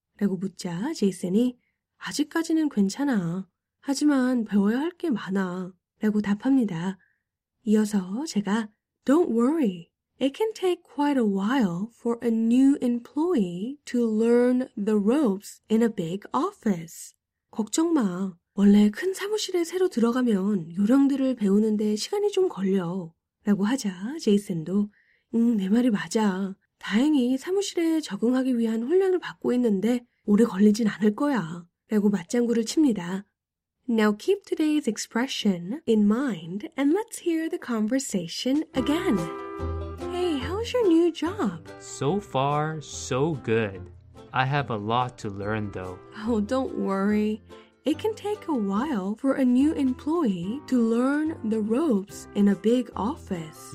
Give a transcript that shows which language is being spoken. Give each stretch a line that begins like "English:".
Korean: 라고 묻자 제이슨이 아직까지는 괜찮아. 하지만 배워야 할 게 많아. 라고 답합니다. 이어서 제가
English: Don't worry. It can take quite a while for a new employee to learn the ropes in a big office.
Korean: 걱정 마. 원래 큰 사무실에 새로 들어가면 요령들을 배우는데 시간이 좀 걸려. 라고 하자 제이슨도 내 말이 맞아. 다행히 사무실에 적응하기 위한 훈련을 받고 있는데 오래 걸리진 않을 거야. 라고 맞장구를 칩니다.
English: Now keep today's expression in mind and let's hear the conversation again. How's your new job? So far, so good. I have a lot to learn, though. Oh, don't worry. It can take a while for a new employee to learn the ropes in a big office.